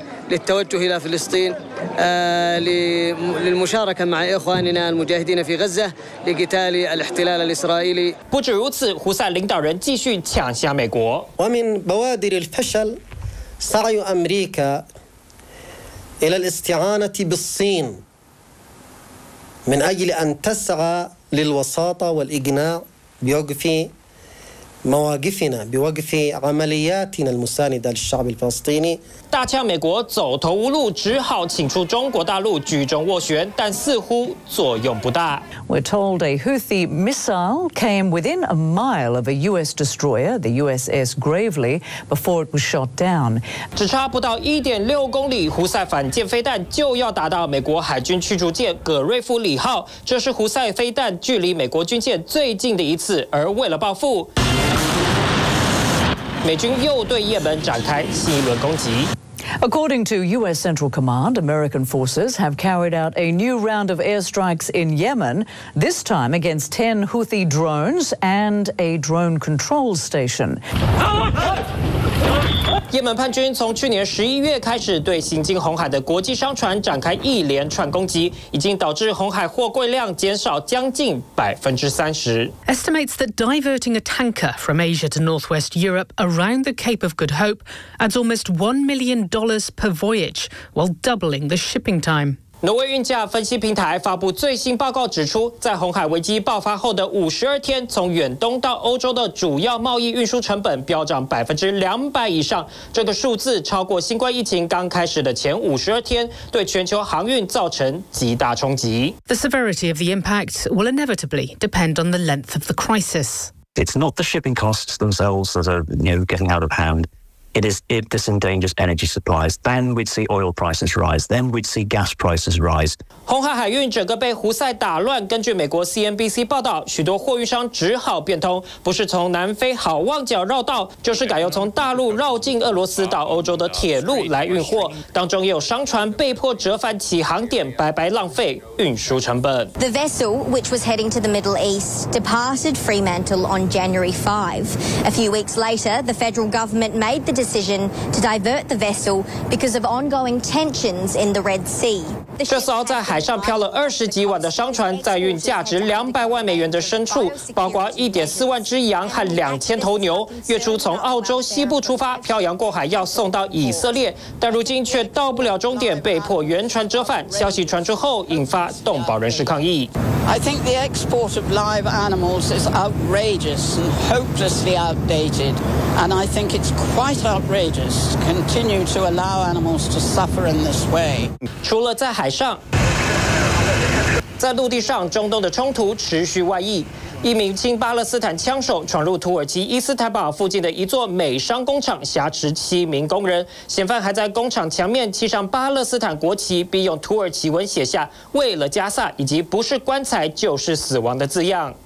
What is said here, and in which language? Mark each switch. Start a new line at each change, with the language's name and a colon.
Arabic: للتوجه إلى فلسطين للمشاركة مع إخواننا المجاهدين في غزة لقتال الاحتلال الإسرائيلي.
Chinese: 不止如此，胡塞领导人继续抢下美国。
Arabic: ومن بوادر الفشل سعي أمريكا إلى الاستعانة بالصين من أجل أن تسعى للوساطة والإقناع بوقف مواقفنا بوقف عملياتنا المساندة للشعب الفلسطيني.
Chinese: 大呛美国走投无路，只好请出中国大陆居中斡旋，但似乎作用不大。
English: We're told a Houthi missile came within a mile of a U.S. destroyer, the USS Gravely, before it was shot down.
Chinese: 只差不到1.6公里，胡塞反舰飞弹就要打到美国海军驱逐舰葛瑞夫里号。这是胡塞飞弹距离美国军舰最近的一次，而为了报复。美军又对也门展开新一轮攻击。
English: According to U.S. Central Command, American forces have carried out a new round of airstrikes in Yemen, this time against 10 Houthi drones and a drone control station.
Chinese: 也门叛军从去年11月开始对行经红海的国际商船展开一连串攻击，已经导致红海货柜量减少将近30%。
English: Estimates that diverting a tanker from Asia to Northwest Europe around the Cape of Good Hope adds almost $1 million per voyage, while doubling the shipping time.
Chinese: 挪威运价分析平台发布最新报告指出，在红海危机爆发后的52天，从远东到欧洲的主要贸易运输成本飙涨200%以上，这个数字超过新冠疫情刚开始的前52天，对全球航运造成极大冲击。
English: The severity of the impact will inevitably depend on the length of the crisis. It's not the shipping costs themselves that are, you know, getting out of handIt is if this endangers energy supplies, then we'd see oil prices rise, then we'd see gas prices rise.
Chinese: 红海海运整个被胡塞打乱。根据美国 CNBC 报道，许多货运商只好变通，不是从南非好望角绕道，就是改由从大陆绕进俄罗斯到欧洲的铁路来运货。当中也有商船被迫折返起航点，白白浪费运输成本。
English: The vessel, which was heading to the Middle East, departed Fremantle on January 5. A few weeks later, the federal government made the decision to divert the vessel because of ongoing tensions in the Red Sea.
Chinese: 这艘在海上漂了20几晚的商船载运价值$200万的牲畜，包括1.4万只羊和2000头牛，月初从澳洲西部出发，漂洋过海要送到以色列，但如今却到不了终点，被迫原船折返。消息传出后引发动保人士抗议。
English: I think the export of live animals is outrageous and hopelessly outdated, and I think it's quite outrageous to continue to allow animals to suffer in this way.
Chinese: 除了在海上，在陆地上，中东的冲突持续外溢。一名亲巴勒斯坦枪手闯入土耳其伊斯坦堡附近的一座美商工厂，挟持7名工人。嫌犯还在工厂墙面漆上巴勒斯坦国旗，并用土耳其文写下“为了加萨”以及“不是棺材就是死亡”的字样。